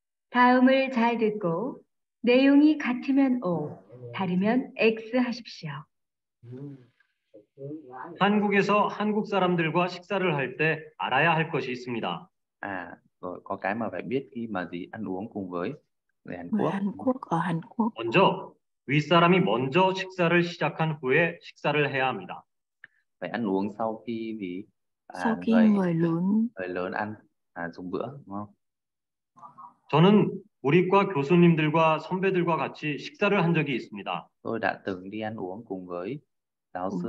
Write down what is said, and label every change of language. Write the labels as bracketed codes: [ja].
[ko] 다음을 잘 듣고 내용이 같으면 O, 다르면 X 하십시오. 한국에서 한국 사람들과 식사를 할 때 알아야 할 것이 있습니다. [vi] 아, có cái mà phải biết khi mà gì ăn uống cùng với người Hàn Quốc. Hàn Quốc ở Hàn Quốc. [ko] 먼저 윗사람이 먼저 식사를 시작한 후에 식사를 해야 합니다. [vi] Phải ăn uống sau khi vì sau khi người lớn ăn à, dùng bữa đúng không? [ko] 저는 우리 과 교수님들과 선배들과 같이 식사를 한 적이 있습니다. [vi] Tôi đã từng đi ăn uống cùng với giáo sư